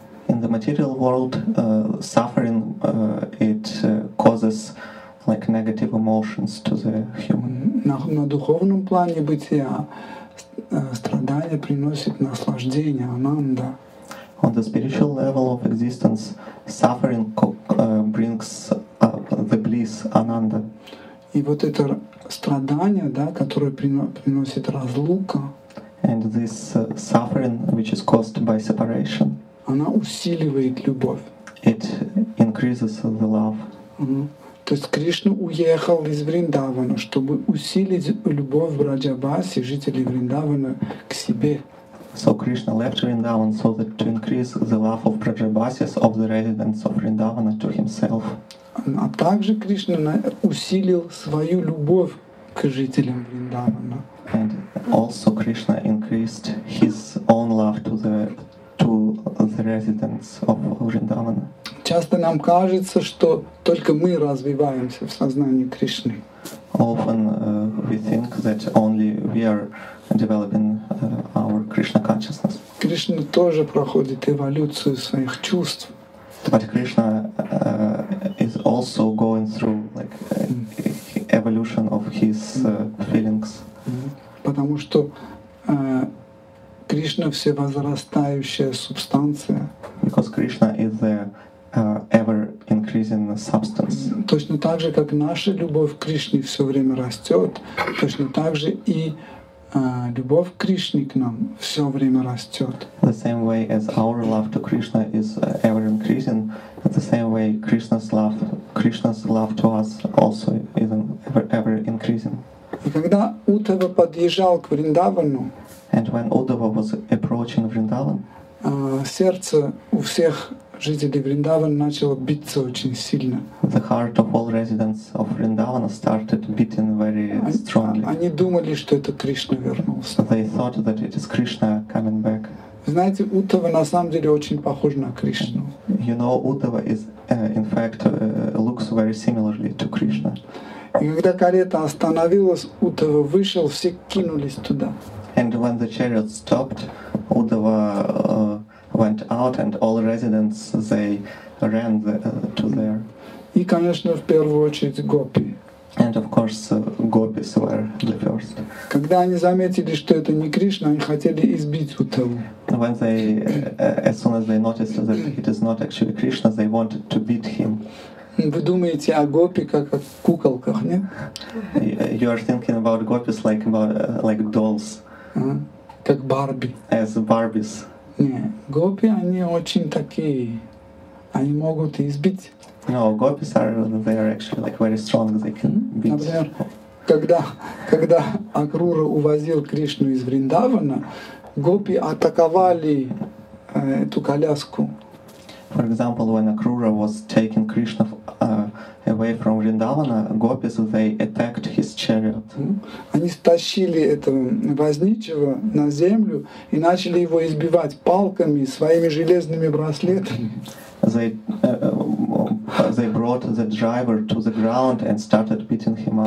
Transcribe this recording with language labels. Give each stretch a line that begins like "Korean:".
English: In the material world, suffering causes like negative emotions to the human.
Russian: На духовном плане бытия страдание приносит наслаждение, ананда.
English: On the spiritual level of existence, suffering brings the bliss, ананда.
Russian: И вот это страдание, да, которое приносит разлука.
English: And this suffering, which is caused by separation.
Russian: Она усиливает любовь.
English: It increases the love.
Russian: То есть Кришна уехал из Вриндавана, чтобы усилить любовь Враджабаси, жителей Вриндавана, к себе.
English: So Krishna left Vrindavan so that to increase the love of Vrajabasis, of the residents of Vrindavana, to himself.
Russian: А также Кришна усилил свою любовь к жителям Вриндавана.
English: And also Krishna increased his own love to the residents of Vrindavana.
Russian: Часто нам кажется, что только мы развиваемся в сознании Кришны.
English: Often we think that only we are developing our Krishna consciousness.
Russian: Кришна тоже проходит эволюцию своих чувств.
English: But Krishna is also going through like evolution of his feelings.
Russian: Потому что Кришна — всевозрастающая субстанция.
English: Because Krishna is the ever-increasing substance.
Russian: Точно так же, как наша любовь к Кришне все время растет, точно так же и любовь Кришны к нам все время растет.
English: The same way as our love to Krishna is ever increasing, the same way Krishna's love to us also is ever increasing.
Russian: И когда Утхава подъезжал к Вриндавану,
English: and when Uddhava was approaching Vrindavan,
Russian: сердце у всех жителей Вриндавана начало биться очень сильно.
English: The heart of all residents of Vrindavan started beating very strongly.
Russian: Они думали, что это Кришна вернулся.
English: They thought that it is Krishna coming back.
Russian: Знаете, Уттава на самом деле очень похож на Кришну.
English: You know, Uddhava is in fact looks very similarly to Krishna.
Russian: И когда карета остановилась, Уттава вышел, все кинулись туда.
English: And when the chariot stopped, Uddhava went out, and all residents they ran to there.
Russian: И, конечно, в первую очередь гопи.
English: And of course, gopis were the first.
Russian: Когда они заметили, что это не Кришна, они хотели избить Уттаву.
English: When they, as soon as they noticed that it is not actually Krishna, they wanted to beat him.
Russian: Вы думаете о гопи как о куколках, не?
English: You are thinking about gopis like dolls.
Russian: Как Барби.
English: As Barbies.
Russian: Не, гопи они очень такие, они могут избить.
English: No, gopis are actually like very strong. They can beat.
Russian: Например, когда Акрура увозил Кришну из Вриндавана, гопи атаковали эту коляску.
English: For example, when Akrura was taking Krishna away from Vrindavana, gopis they attacked his chariot.
Russian: Они стащили этого возничего на землю и начали его избивать палками, своими железными браслетами.
English: They brought the driver to the ground and started beating him up